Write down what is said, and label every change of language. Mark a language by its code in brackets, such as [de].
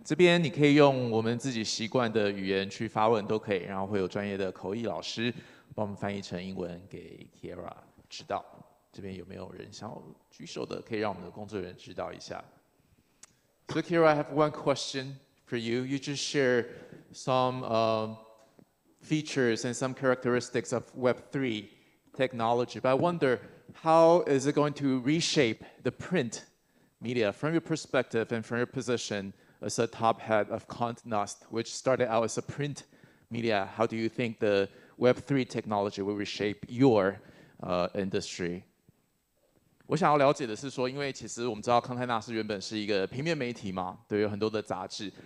[zh] 这边你可以用我们自己习惯的语言去发问都可以，然后会有专业的口译老师帮我们翻译成英文给 Kiera 知道。这边有没有人想要举手的，可以让我们的工作人员知道一下。 [en] So Kiera, I have one question for you. You just share some features and some characteristics of Web3 technology, but I wonder how is it going to reshape the print media from your perspective and from your position as a top head of Conde Nast, which started out as a print media. How do you think the Web3 technology will reshape your industry? [zh] 我想要了解的是说，因为其实我们知道康泰纳斯原本是一个平面媒体嘛，对，有很多的杂志。